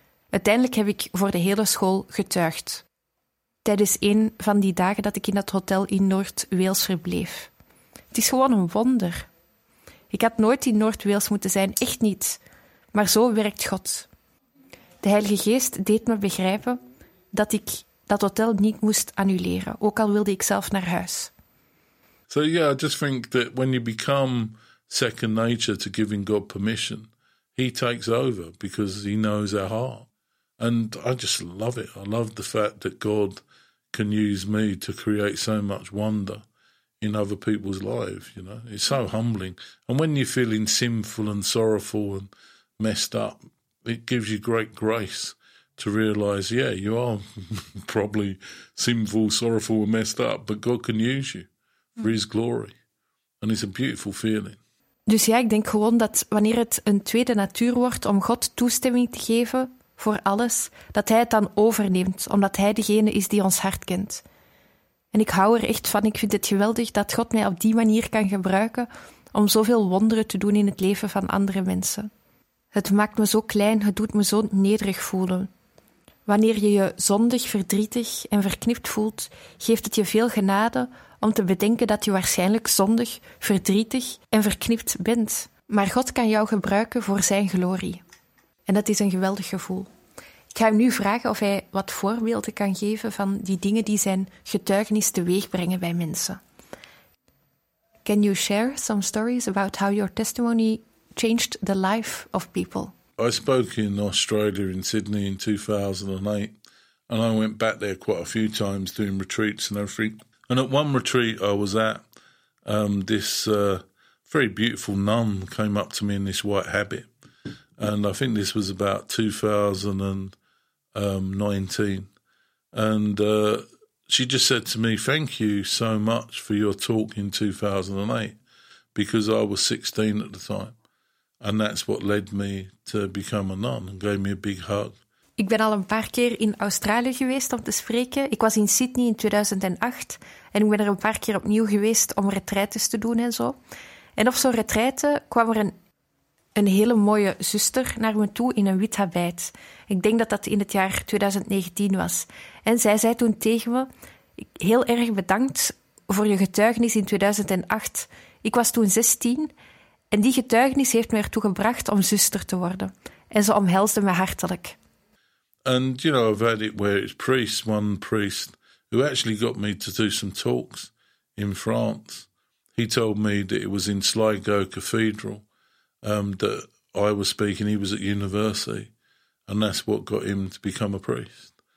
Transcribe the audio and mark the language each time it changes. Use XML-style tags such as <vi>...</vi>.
<nl>Uiteindelijk heb ik voor de hele school getuigd. Tijdens een van die dagen dat ik in dat hotel in North Wales verbleef. Het is gewoon een wonder. Ik had nooit in North Wales moeten zijn, echt niet. Maar zo werkt God. De Heilige Geest deed me begrijpen dat ik dat hotel niet moest annuleren, ook al wilde ik zelf naar huis.</nl> <en>So, yeah, I just think that when you become second nature to giving God permission, he takes over because he knows our heart. And I just love it. I love the fact that God can use me to create so much wonder in other people's lives, you know. It's so humbling. And when you're feeling sinful and sorrowful and messed up, it gives you great grace to realize, yeah, you are probably sinful, sorrowful and messed up, but God can use you. For his glory. And it's a beautiful feeling.</en> <nl>Dus ja, ik denk gewoon dat wanneer het een tweede natuur wordt om God toestemming te geven voor alles, dat hij het dan overneemt, omdat hij degene is die ons hart kent. En ik hou er echt van, ik vind het geweldig dat God mij op die manier kan gebruiken om zoveel wonderen te doen in het leven van andere mensen. Het maakt me zo klein, het doet me zo nederig voelen. Wanneer je je zondig, verdrietig en verknipt voelt, geeft het je veel genade om te bedenken dat je waarschijnlijk zondig, verdrietig en verknipt bent. Maar God kan jou gebruiken voor zijn glorie. En dat is een geweldig gevoel. Ik ga hem nu vragen of hij wat voorbeelden kan geven van die dingen die zijn getuigenis teweeg brengen bij mensen.</nl> <en>Can you share some stories about how your testimony changed the life of people? I spoke in Australia, in Sydney, in 2008, and I went back there quite a few times doing retreats and everything. And at one retreat I was at, this very beautiful nun came up to me in this white habit, and I think this was about 2019. And she just said to me, "Thank you so much for your talk in 2008, because I was 16 at the time. And that's what led me to become a nun and gave me a big hug."</en> <nl>Ik ben al een paar keer in Australië geweest om te spreken. Ik was in Sydney in 2008 en ik ben er een paar keer opnieuw geweest om retraites te doen en zo. En op zo'n retraite kwam er een hele mooie zuster naar me toe in een wit habit. Ik denk dat dat in het jaar 2019 was. En zij zei toen tegen me: "Heel erg bedankt voor je getuigenis in 2008. Ik was toen 16. En die getuigenis heeft me ertoe gebracht om zuster te worden. En ze omhelsde me hartelijk."</nl> <en>And you know, I've had it where it's priests, one priest who actually got me to do some talks in France. He told me that it was in Sligo Cathedral that I was speaking. He was at university, and that's what got him to become a priest.</en>